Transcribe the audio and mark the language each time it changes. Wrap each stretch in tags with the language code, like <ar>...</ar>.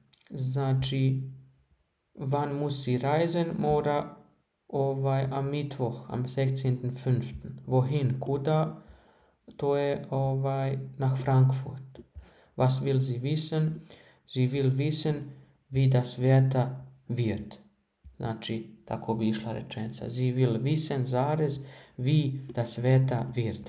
<bs>Znači,</bs> <de>wann muss sie reisen,</de> <bs>mora</bs> <de>am Mittwoch, am 16.5. Wohin,</de> <bs>kuda? To je</bs> <de>nach Frankfurt. Was will sie wissen? Sie will wissen, wie das Wetter wird.</de> <bs>Znači, tako bi išla rečenica.</bs> <de>Sie will wissen,</de> <bs>zarez,</bs> <de>wie das Wetter wird.</de>